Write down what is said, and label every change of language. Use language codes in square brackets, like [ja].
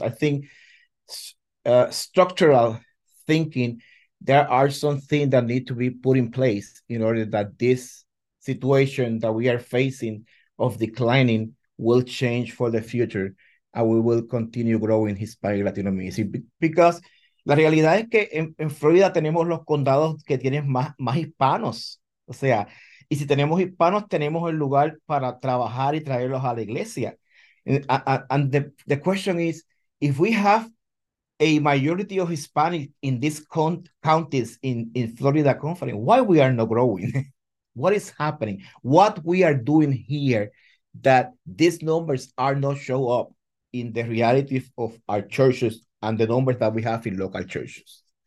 [en] I think structural thinking, there are some things that need to be put in place in order that this situation that we are facing of declining will change for the future, and we will continue growing Hispanic Latino ministry. Because [es] la realidad es que en Florida tenemos los condados que tienen más hispanos. O sea, y si tenemos hispanos, tenemos el lugar para trabajar y traerlos a la iglesia. [en] And the question is, if we have a majority of Hispanic in these counties in Florida Conference, why we are not growing? What is happening? What we are doing here that these numbers are not show up in the reality of our churches and the numbers that we have in local churches?